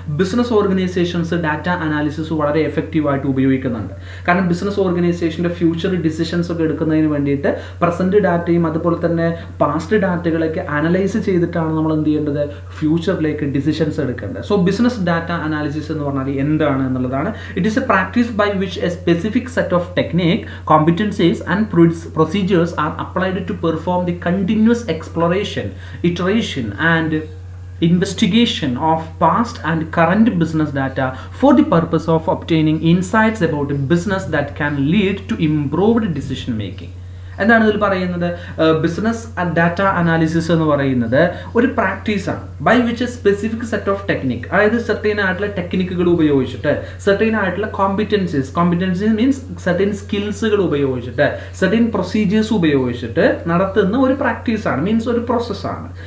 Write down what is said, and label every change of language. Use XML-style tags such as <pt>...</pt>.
<ml>Business organisations data analysis വളരെ എഫക്റ്റീവായിട്ട് ഉപയോഗിക്കുന്നുണ്ട്. കാരണം ബിസിനസ് ഓർഗനൈസേഷന്റെ ഫ്യൂച്ചർ ഡിസിഷൻസ് ഒക്കെ എടുക്കുന്നതിന് വേണ്ടിയിട്ട് പ്രസന്റ് ഡാറ്റയും അതുപോലെ തന്നെ പാസ്റ്റ് ഡാറ്റകളൊക്കെ അനലൈസ് ചെയ്തിട്ടാണ് നമ്മൾ എന്ത് ചെയ്യേണ്ടത്, ഫ്യൂച്ചറിലേക്ക് ഡിസിഷൻസ് എടുക്കേണ്ടത്. സോ ബിസിനസ് ഡാറ്റ അനാലിസിസ് എന്ന് പറഞ്ഞാൽ എന്താണ് എന്നുള്ളതാണ്.</ml> <en>It is a practice by which a specific set of technique, competencies and procedures are applied to perform the continuous exploration, iteration and investigation of past and current business data for the purpose of obtaining insights about a business that can lead to improved decision making.</en> <ml>എന്താണ് ഇതിൽ പറയുന്നത്? Business data analysis എന്ന് പറയുന്നത് ഒരു പ്രാക്ടീസാണ്,</ml> <en>by which a specific set of technique,</en> <ml>അതായത് certain ആയിട്ടുള്ള ടെക്നിക്കുകൾ ഉപയോഗിച്ചിട്ട്, സെർട്ടൈൻ ആയിട്ടുള്ള കോമ്പിറ്റൻസീസ്, കോമ്പിറ്റൻസീസ് മീൻസ് സെർട്ടൈൻ സ്കിൽസുകൾ ഉപയോഗിച്ചിട്ട്, സെർട്ടൈൻ പ്രൊസീജിയേഴ്സ് ഉപയോഗിച്ചിട്ട് നടത്തുന്ന ഒരു പ്രാക്ടീസാണ്, മീൻസ് ഒരു പ്രോസസ്സാണ്.</ml>